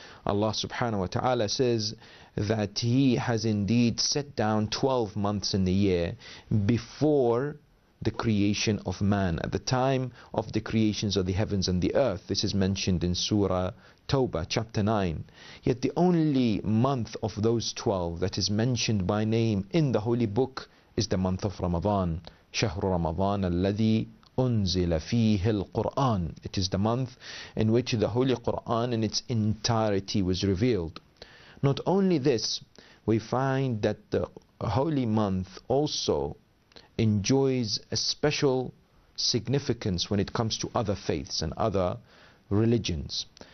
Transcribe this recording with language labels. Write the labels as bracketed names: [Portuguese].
[English] Allah subhanahu wa ta'ala says that He has indeed set down 12 months in the year before the creation of man, at the time of the creations of the heavens and the earth. This is mentioned in Surah Tawbah, chapter 9. Yet the only month of those 12 that is mentioned by name in the Holy Book is the month of Ramadan. [Arabic] شهر رمضان الذي أنزل فيه القرآن. [English] It is the month in which the Holy Quran in its entirety was revealed. Not only this, we find that the holy month also enjoys a special significance when it comes to other faiths and other religions.